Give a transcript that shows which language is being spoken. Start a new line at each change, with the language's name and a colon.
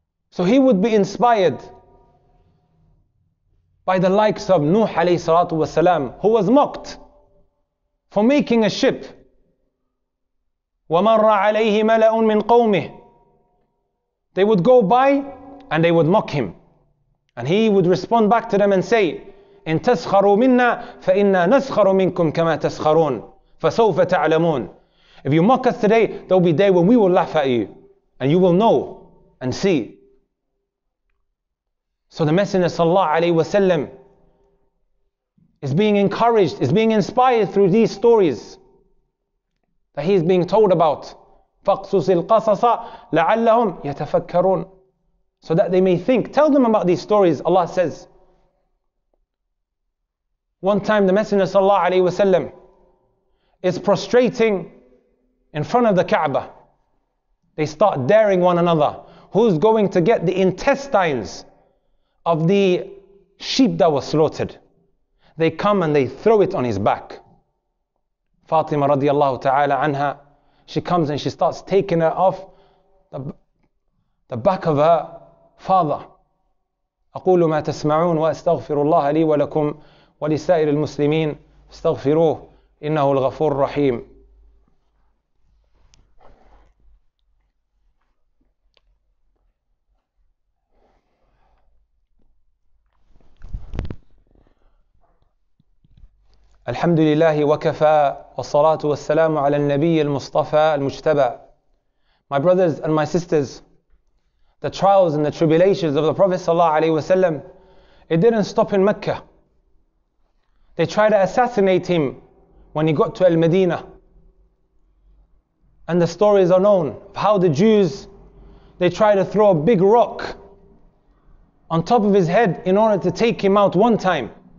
English: So he would be inspired by the likes of Nuh alayhi salatu wasalam, who was mocked for making a ship.
Arabic: وَمَرَّ عَلَيْهِ مَلَأٌ مِّن قَوْمِهِ.
English: They would go by and they would mock him. And he would respond back to them and say,
Arabic: إن تسخروا منا فإنا نسخر منكم كما تسخرون فسوف تعلمون.
English: If you mock us today, there will be a day when we will laugh at you, and you will know and see. So the Messenger sallallahu alayhi wa sallam is being encouraged, is being inspired through these stories that he is being told about.
Arabic: فَقْصُصِ الْقَصَصَ لَعَلَّهُمْ يَتَفَكَّرُونَ.
English: So that they may think, tell them about these stories, Allah says. One time the Messenger sallallahu alayhi wa sallam is prostrating in front of the Kaaba. They start daring one another. Who's going to get the intestines of the sheep that was slaughtered? They come and they throw it on his back. Fatima radiallahu ta'ala anha, she comes and she starts taking it off the back of her father.
Arabic: أقول ما تسمعون وأستغفر الله لي ولكم ولسائر المسلمين استغفروه إنه الغفور الرحيم. الحمد لله وكفى والصلاة والسلام على النبي المصطفى المجتبى.
English: My brothers and my sisters, the trials and the tribulations of the Prophet sallallahu alaihi wasallam, it didn't stop in Mecca. They tried to assassinate him when he got to Al-Madinah. And the stories are known of how the Jews, they tried to throw a big rock on top of his head in order to take him out one time.